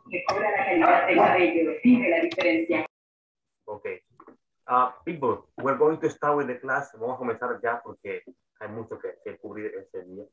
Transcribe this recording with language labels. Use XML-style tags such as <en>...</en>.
<es>Recobra la calidad del cabello, vive la diferencia. Okay.</es> <en>People, we're going to start with the class.</en> <es>Vamos a comenzar ya porque hay mucho que cubrir ese día.</es>